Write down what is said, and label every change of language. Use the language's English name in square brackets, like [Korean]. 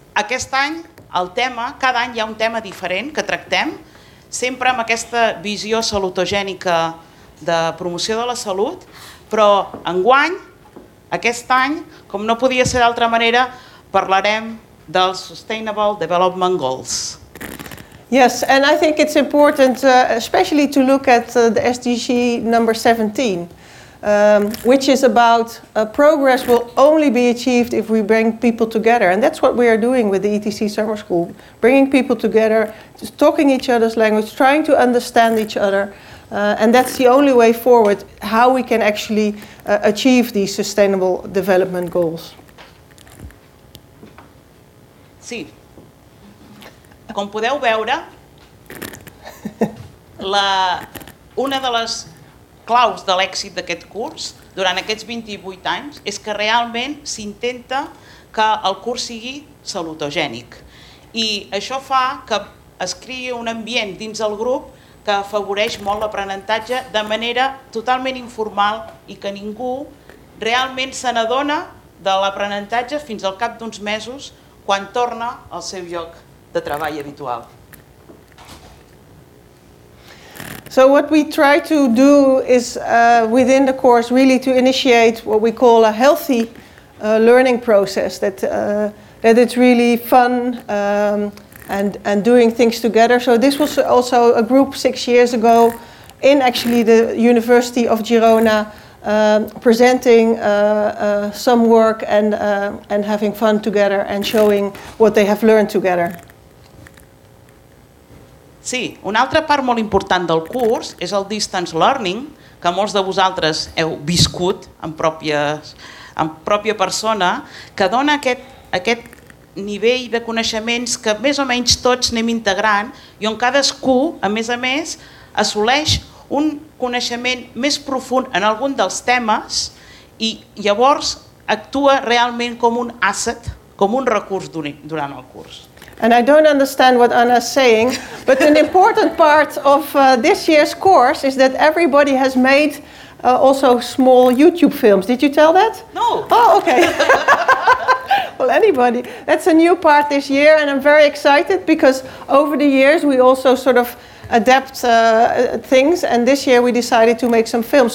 [Catalan] Aquest any, el tema, cada any hi ha un tema diferent que tractem, sempre amb aquesta visió salutogènica de promoció de la salut, però enguany, aquest any, com no podia ser d'altra manera, parlarem dels Sustainable Development Goals. [English] Yes, and I think it's important especially to look at the SDG number 17, which is about progress will only be achieved if we bring people together. And that's what we are doing with the ETC Summer School, bringing people together, just talking each other's language, trying to understand each other. And that's the only way forward, how we can actually achieve these Sustainable Development Goals. [Catalan] Sí. Com podeu veure, una de les claus de l'èxit d'aquest curs durant aquests 28 anys és que realment s'intenta que el curs sigui salutogènic. I això fa que es creï un ambient dins el grup que afavoreix molt l'aprenentatge de manera totalment informal i que ningú realment se n'adona de l'aprenentatge fins al cap d'uns mesos quan torna al seu lloc de treball habitual. [English] So what we try to do is within the course really to initiate what we call a healthy learning process, that it's really fun, and doing things together. So this was also a group 6 years ago in actually the University of Girona presenting some work and having fun together and showing what they have learned together. [Catalan] Sí, una altra part molt important del curs és el distance learning, que molts de vosaltres heu viscut en pròpia persona, que dona aquest nivell de coneixements que més o menys tots anem integrant i on cadascú, a més, assoleix un coneixement més profund en algun dels temes i llavors actua realment com un asset, com un recurs durant el curs. [English] And I don't understand what Anna's saying, but an important part of this year's course is that everybody has made also small YouTube films. Did you tell that? No. Oh, okay. Well, anybody. That's a new part this year, and I'm very excited because over the years we also sort of adapt things, and this year we decided to make some films.